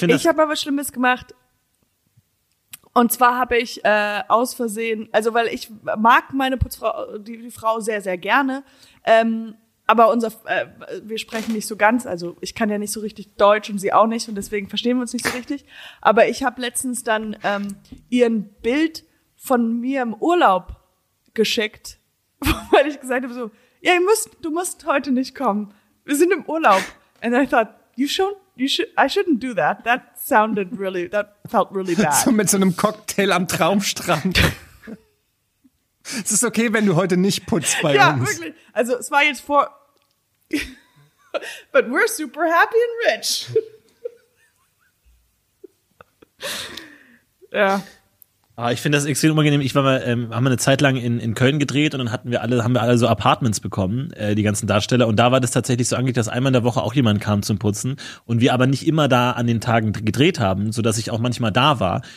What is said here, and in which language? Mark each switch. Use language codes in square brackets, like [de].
[de] habe aber was Schlimmes gemacht. Und zwar habe ich aus Versehen, also weil ich mag meine Putzfrau, die Frau sehr, sehr gerne, aber unser wir sprechen nicht so ganz, also ich kann ja nicht so richtig Deutsch und sie auch nicht und deswegen verstehen wir uns nicht so richtig. Aber ich habe letztens dann ihren Bild von mir im Urlaub geschickt, weil ich gesagt habe so, ja, du musst heute nicht kommen, wir sind im Urlaub. [en] And I thought, I shouldn't do that. That felt really bad. [de] So mit so einem Cocktail am Traumstrand. Es ist okay, wenn du heute nicht putzt bei uns. Ja, wirklich. Also es war jetzt vor. [en] But we're super happy and rich. [de] Ja. Ah, ich finde das extrem unangenehm. Ich war mal, haben wir eine Zeit lang in Köln gedreht und dann haben wir alle so Apartments bekommen, die ganzen Darsteller. Und da war das tatsächlich so angelegt, dass einmal in der Woche auch jemand kam zum Putzen und wir aber nicht immer da an den Tagen gedreht haben, so dass ich auch manchmal da war.